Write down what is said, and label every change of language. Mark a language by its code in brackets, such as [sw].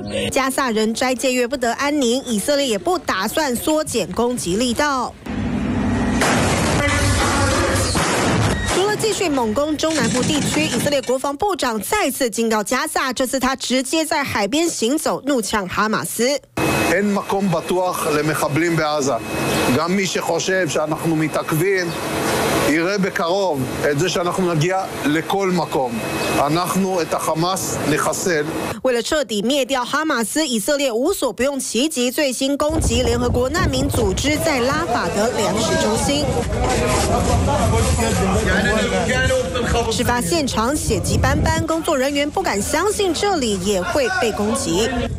[zh] 加萨人斋戒月不得安宁，以色列也不打算缩减攻击力道。继续猛攻中南部地区，以色列国防部长再次进到加萨，这次他直接在海边行走，怒呛哈马斯。 [he] אין מקום בטוח למחבלים בעזה. גם מי שחושב שאנחנו מתעכבים, יראה בקרוב את זה שאנחנו נגיע לכל מקום. אנחנו את החמאס נחסל. [zh] 为了彻底灭掉哈马斯，以色列无所不用其极，最新攻击联合国难民组织在拉法的粮食中心。事发现场血迹斑斑，工作人员不敢相信这里也会被攻击。